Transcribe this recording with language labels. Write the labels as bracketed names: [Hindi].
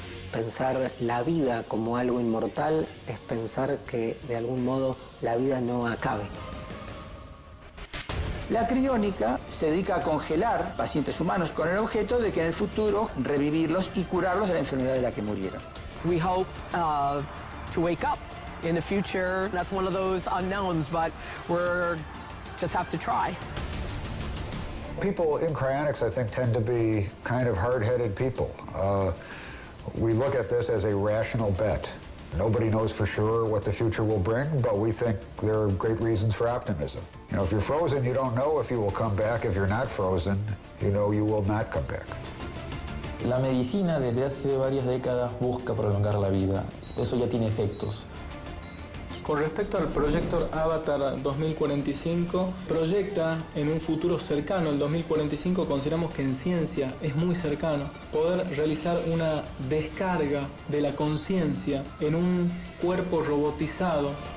[Spanish] Pensar la vida como algo inmortal es pensar que, de algún modo, la vida no acabe. La criónica se dedica a congelar pacientes humanos con el objeto de que en el futuro revivirlos y curarlos de la enfermedad de la que murieron. [English] We hope to wake up in the future. That's one of those unknowns, but we're just have to try. People in cryonics, I think, tend to be kind of hard-headed people. We look at this as a rational bet. Nobody knows for sure what the future will bring, but we think there are great reasons for optimism. You know, if you're frozen, you don't know if you will come back. If you're not frozen, you know you will not come back. [Spanish] La medicina desde hace varias décadas busca prolongar la vida. Eso ya tiene efectos. Con respecto al proyecto Avatar 2045, proyecta en un futuro cercano, el 2045, consideramos que en ciencia es muy cercano, poder realizar una descarga de la conciencia en un cuerpo robotizado.